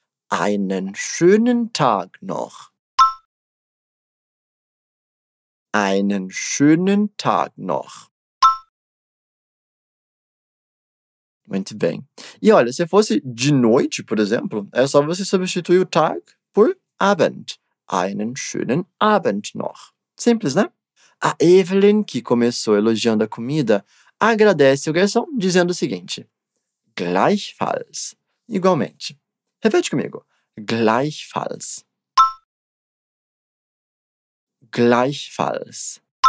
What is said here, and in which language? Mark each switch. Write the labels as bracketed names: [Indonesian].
[German] Einen schönen Tag noch. Einen schönen Tag noch. [Portuguese] Muito bem. E olha, se fosse de noite, por exemplo, é só você substituir o Tag por Abend. [German] Einen schönen Abend noch. [Portuguese] Simples, né? A Evelyn, que começou elogiando a comida, agradece o garçom dizendo o seguinte. Gleichfalls. Igualmente. Repete comigo. [German] Gleichfalls. Gleichfalls.